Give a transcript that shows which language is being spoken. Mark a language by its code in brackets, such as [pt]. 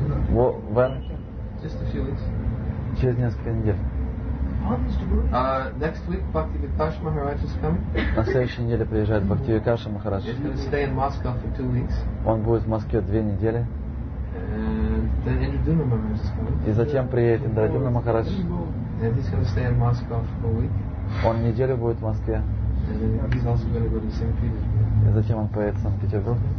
[en] When? Just a few weeks. [ru] Через несколько недель. [en] Next week, Bhaktivikasa Maharaj is coming. [ru] На следующей неделе приезжает Бхактивикаса Махарадж. [en] He's going to stay in Moscow for 2 weeks. [ru] Он будет в Москве 2 недели. [en] And then Indradyumna Maharaj is coming. [ru] И затем приедет Индрадюмна Махарадж. [en] And he's going to stay in Moscow for a week. [ru] Он неделю будет в Москве. И затем он поедет в Санкт-Петербург.